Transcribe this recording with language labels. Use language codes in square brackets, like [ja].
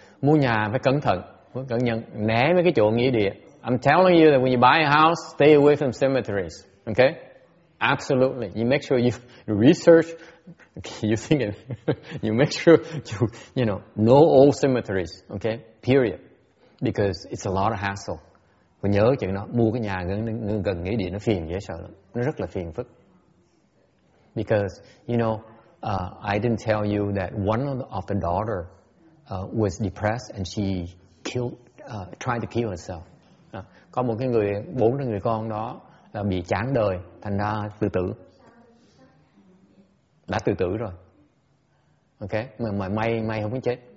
[vi] Mua nhà phải cẩn thận, phải cẩn nhận, né mấy cái chỗ nghĩa địa. [en] I'm telling you that when you buy a house, stay away from cemeteries. Okay? Absolutely. You make sure you research, you think, you make sure you, you know all cemeteries, okay, period. Because it's a lot of hassle. [vi] Mình nhớ chuyện đó, mua cái nhà gần nghĩa địa nó phiền dễ sợ lắm. Nó rất là phiền phức. [en] Because, you know, I didn't tell you that one of the daughter was depressed and she tried to kill herself. [vi] Có một cái người, bốn cái người con đó là bị chán đời, thành ra tự tử. Đã tự tử rồi. Okay, mà may không có chết.